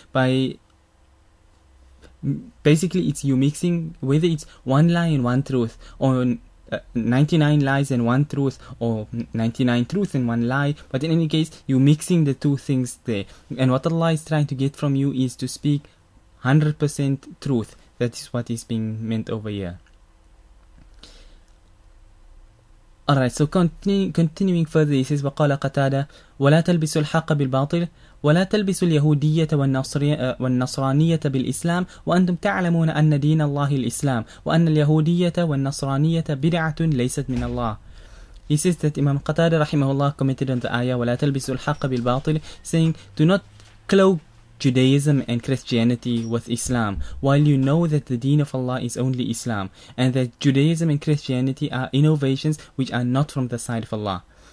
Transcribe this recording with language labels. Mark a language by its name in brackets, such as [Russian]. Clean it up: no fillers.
[English] By basically, it's you mixing, whether it's one lie and one truth, or 99 lies and one truth, or 99 truth and one lie. But in any case, you're mixing the two things there. And what Allah is trying to get from you is to speak 100% truth. That is what is being meant over here. Alright, so continuing further, he says, [Arabic] وَقَالَ قَتَادَ وَلَا تَلْبِسُ الْحَقَّ بِالْبَاطِلِ وَلَا تَلْبِسُ الْيَهُودِيَّةَ وَالنَّصْرَانِيَّةَ بِالْإِسْلَامِ وَأَنْتُمْ تَعْلَمُونَ أَنَّ دِينَ اللَّهِ الْإِسْلَامِ وَأَنَّ الْيَهُودِيَّةَ وَالنَّصْرَانِيَّةَ بِدْعَةٌ لَيْسَتْ مِنَ اللَّهِ. [English] He says that Imam Qatada rahimahullah commented on the ayah, [Arabic] وَلَا تَلْبِسُ الْحَقَّ بِالْبَاطِلِ, [English] saying, do not cloak Judaism and Christianity with Islam, while you know that the deen of Allah is only Islam, and that Judaism and Christianity are innovations which are not from the side of Allah.